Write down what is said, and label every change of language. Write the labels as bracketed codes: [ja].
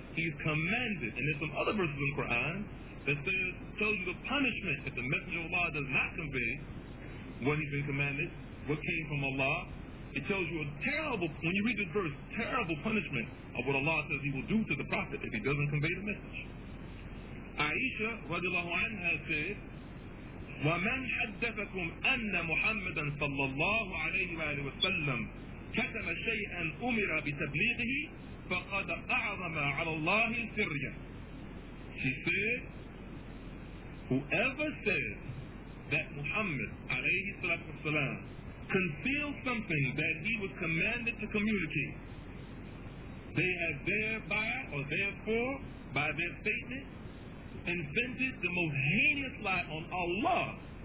[en] He's commanded, and there's some other verses in the Quran that tells you the punishment if the Messenger of Allah does not convey what he's been commanded, what came from Allah. It tells you a terrible, when you read this verse, terrible punishment of what Allah says he will do to the Prophet if he doesn't convey the message. Aisha radiallahu anha said, [ar] وَمَنْ حَدَّثَكُمْ أَنَّ مُحَمَّدًا صَلَّى اللَّهُ عَلَيْهِ وَعَلَيْهِ وَسَلَّمْ كَتَمَ شَيْئًا أُمِرَ بِتَبْلِيغِهِ فَقَدْ أَعْظَمَ عَلَى اللَّهِ سِرْيًا. [en] She said, whoever says that Muhammad عليه الصلاة والسلام concealed something that he was commanded to communicate, they have thereby, or therefore, by their statement, invented the most heinous lie on Allah.